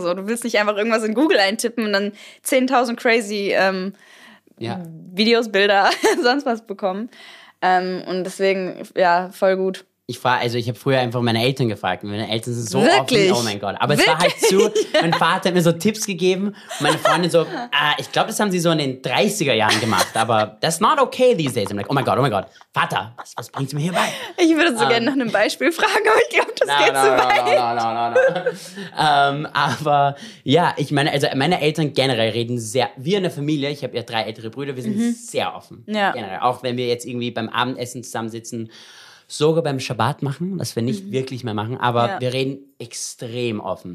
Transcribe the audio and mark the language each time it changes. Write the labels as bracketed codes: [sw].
[de] So, du willst nicht einfach irgendwas in Google eintippen und dann 10.000 crazy Videos, Bilder, sonst was bekommen. Und deswegen, ja, voll gut. Ich habe früher einfach meine Eltern gefragt. Meine Eltern sind so wirklich? Offen. Oh mein Gott. Aber es wirklich? War halt zu. Mein Vater hat mir so Tipps gegeben. Meine Freundin so, ich glaube, das haben sie so in den 30er Jahren gemacht. Aber [en] that's not okay these days. I'm like, [de] oh mein Gott. Vater, was bringst du mir hier bei? Ich würde so gerne nach einem Beispiel fragen, aber ich glaube, das geht zu weit. Aber ja, ich meine, also meine Eltern generell reden sehr, wir in der Familie, ich habe ja 3 ältere Brüder, wir sind sehr offen. Ja. Generell. Auch wenn wir jetzt irgendwie beim Abendessen zusammensitzen, sogar beim Schabbat machen, was wir nicht wirklich mehr machen, aber wir reden extrem offen.